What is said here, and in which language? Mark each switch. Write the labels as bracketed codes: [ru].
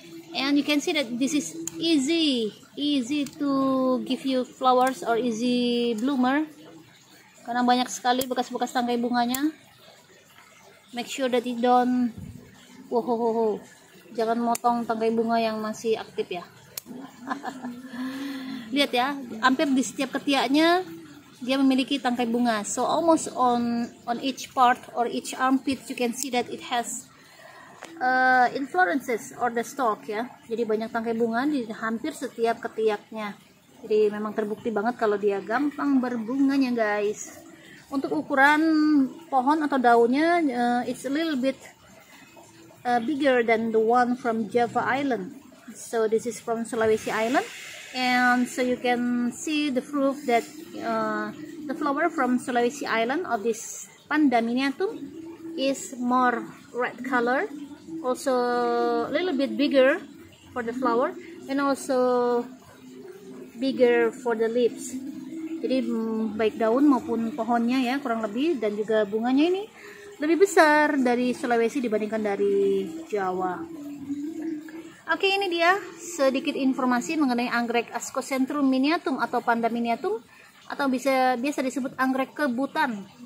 [en] And you can see that this is easy to give you flowers or easy bloomer, [id] karena banyak sekali bekas-bekas tangkai bunganya. [en] Make sure that it don't, [id] wohohoho, jangan motong tangkai bunga yang masih aktif ya. Lihat ya, hampir di setiap ketiaknya dia memiliki tangkai bunga. [en] So almost on each part or each armpit you can see that it has inflorescences or the stalk ya. [id] Jadi banyak tangkai bunga di hampir setiap ketiaknya. Jadi memang terbukti banget kalau dia gampang berbunganya guys. Untuk ukuran pohon atau daunnya, [en] it's a little bit bigger than the one from Java Island. So this is from Sulawesi Island, and so you can see the proof that the flower from Sulawesi Island of this panda miniatum is more red color, also a little bit bigger for the flower, and also bigger for the leaves. [id] Jadi baik daun maupun pohonnya ya kurang lebih, dan juga bunganya ini lebih besar dari Sulawesi dibandingkan dari Jawa. Oke, ini dia sedikit informasi mengenai anggrek Ascocentrum miniatum atau panda miniatum, atau biasa disebut anggrek kebutan.